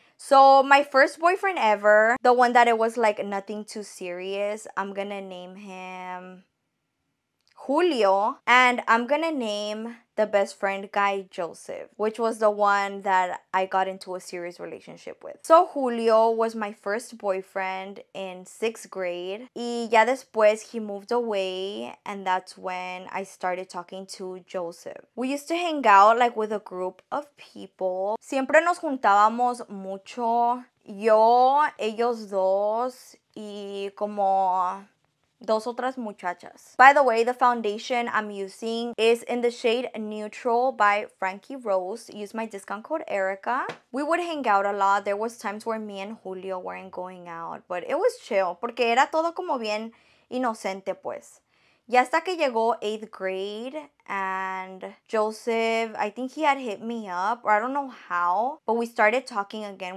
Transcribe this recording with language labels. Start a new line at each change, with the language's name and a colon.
English: So my first boyfriend ever, the one that it was like nothing too serious, I'm gonna name him Julio, and I'm gonna name the best friend guy Joseph, which was the one that I got into a serious relationship with. So Julio was my first boyfriend in sixth grade.
Spanish: Y ya después
English: he moved away, and that's when I started talking to Joseph. We used to hang out like with a group of people.
Spanish: Siempre nos juntábamos mucho. Yo, ellos dos, y como dos otras muchachas.
English: By the way, the foundation I'm using is in the shade Neutral by Frankie Rose. Use my discount code Erica. We would hang out a lot. There was times where me and Julio weren't going out, but it was chill
Spanish: porque era todo como bien inocente pues. Y hasta que llegó
English: 8th grade and Joseph, I think he had hit me up or I don't know how, but we started talking again.